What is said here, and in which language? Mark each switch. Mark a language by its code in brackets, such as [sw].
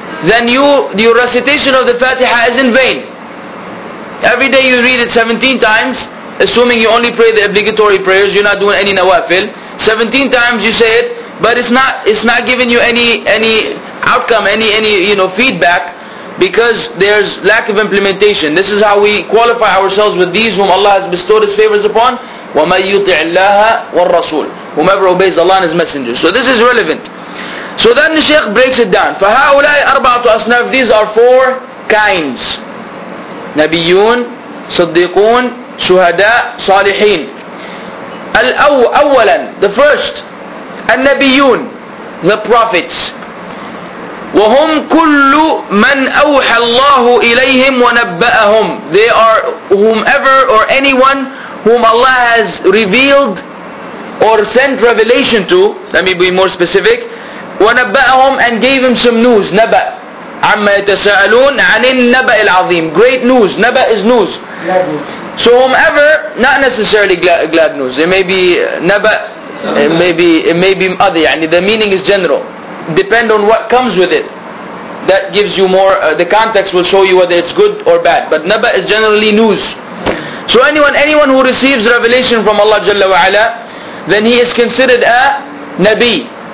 [en] Then your recitation of the Fatiha is in vain. Every day you read it 17 times, assuming you only pray the obligatory prayers, you're not doing any nawafil, 17 times you say it, but it's not giving you any outcome, any you know, feedback, because there's lack of implementation. This is how we qualify ourselves with these whom Allah has bestowed His favors upon. [ar] وَمَن يُطِعِ اللَّهَ وَالرَّسُولَ, [en] whomever obeys Allah and His Messenger. So this is relevant. So then the Shaykh breaks it down. [ar] فَهَؤُلَاءِ أَرْبَعَةُ أَصْنَافٍ, [en] these are four kinds. [ar] نَبِيُّون, صِدِّقُون, شهداء, صالحين. [en] أولا, the first, النبيون, the prophets. [ar] وهم كل من أوحى الله إليهم ونبأهم. [en] They are whomever or anyone whom Allah has revealed or sent revelation to, let me be more specific, ونبأهم, and gave him some news. [ar] نبأ عما يتساءلون عن النبأ العظيم. [en] Great news. نبأ is news. So whomever, not necessarily glad news. It may be نبأ, it may be other. يعني the meaning is general. Depend on what comes with it. That gives you more, the context will show you whether it's good or bad. But نبأ is generally news. So anyone who receives revelation from Allah Jalla wa'ala, then he is considered a نبي.